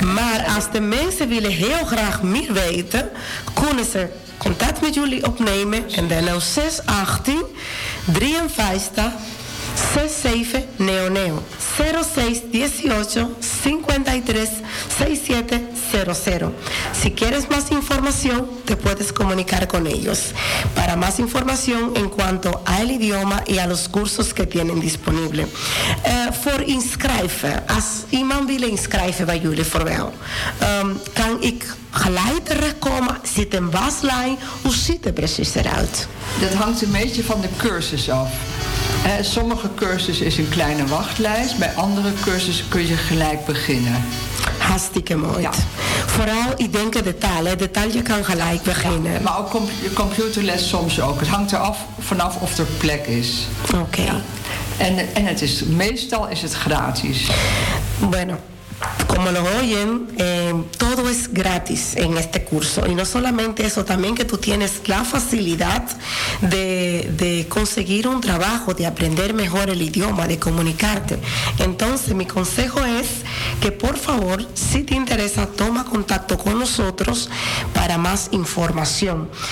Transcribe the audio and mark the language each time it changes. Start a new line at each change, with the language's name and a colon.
Dutch: Maar als de mensen willen heel graag meer weten, kunnen ze contact met jullie opnemen en dan 0618 53 67 00 06 18 53 67 00.
Spanish: Si quieres más información, te puedes comunicar con ellos. Para más información en cuanto al idioma y a los cursos que tienen disponible.
Dutch: Voor inschrijven, als iemand wil inschrijven bij jullie voor wel, kan ik gelijk terechtkomen? Zit een waslijn? Hoe ziet het precies eruit? Dat hangt een beetje van de cursus af. Sommige cursussen is een kleine wachtlijst, bij andere cursussen kun je gelijk beginnen. Hartstikke mooi. Ja. Vooral, ik denk de taal. Hè. De taal, je kan gelijk beginnen. Ja, maar ook computerles soms ook. Het hangt er af vanaf of er plek is. Oké. Okay. Ja. En het is, meestal is het gratis.
Spanish: Bueno. Como lo oyen, todo es gratis en este curso. Y no solamente eso, también que tú tienes la facilidad de conseguir un trabajo, de aprender mejor el idioma, de comunicarte. Entonces, mi consejo es que, por favor, si te interesa, toma contacto con nosotros para más información.